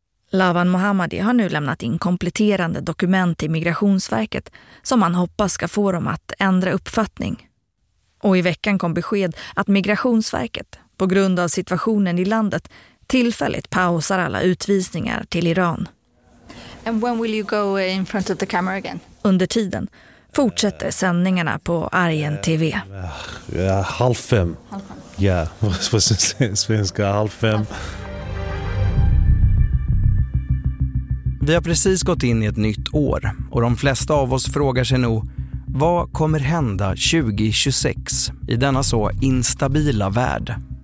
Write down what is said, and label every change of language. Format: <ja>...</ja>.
<sv>Lawan Mohammadi har nu lämnat in kompletterande dokument till Migrationsverket som han hoppas ska få dem att ändra uppfattning. Och i veckan kom besked att Migrationsverket, på grund av situationen i landet, tillfälligt pausar alla utvisningar till Iran.</sv> <en>And when will you go in front of the camera again?</en> <sv>Under tiden fortsätter sändningarna på Argent TV. Halv fem. Ja, på svenska, halv fem. Vi har precis gått in i ett nytt år och de flesta av oss frågar sig nog, vad kommer hända 2026 i denna så instabila värld?</sv>